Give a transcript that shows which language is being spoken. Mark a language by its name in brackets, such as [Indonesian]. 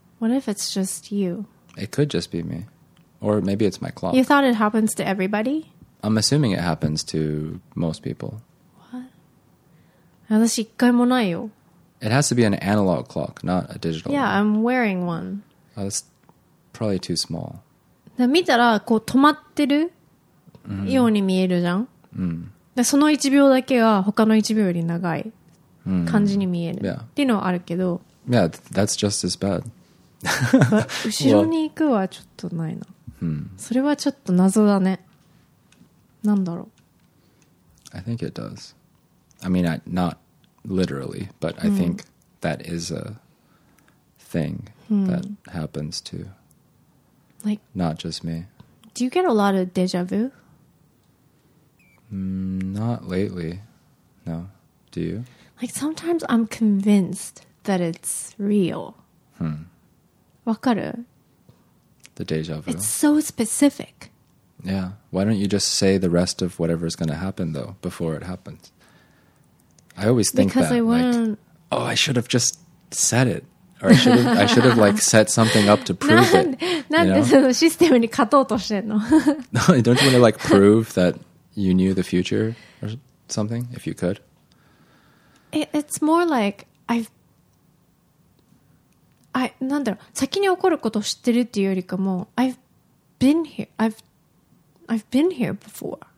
[English] What if it's just you? It could just be me. Or maybe it's my clock. You thought it happens to everybody? I'm assuming it happens to most people. What? [Japanese] 私一回もないよ。 [English] It has to be an analog clock, not a digital one. Yeah, I'm wearing one. Oh, that's probably too small. [Japanese] 見たらこう止まってるように見えるじゃん。 Mm-hmm. でその1秒だけは他の1秒より長い感じに見える。 [English] Mm-hmm. Yeah. [Japanese] っていうのはあるけど。 [English] Yeah, that's just as bad. [Japanese] 後ろに行くはちょっとないな。それはちょっと謎だね。なんだろう。 [English] I think it does. I mean, not literally, but I think that is a thing that happens to like not just me. Do you get a lot of déjà vu? Not lately. No. Do you? Like sometimes I'm convinced that it's real. [Japanese] わかる? [English] The deja vu. It's so specific. Yeah. Why don't you just say the rest of whatever's going to happen, though, before it happens? I always think because that. Because I wouldn't... Like, oh, I should have just said it. Or I should have like, set something up to prove it. [Japanese] なんでそのシステムに勝とうとしてんの? [English] No, don't you want to, like, prove that you knew the future or something, if you could? It's more like I've... [Japanese] なんだろう先に起こることを知ってるっていうよりかも [English] I've been here before.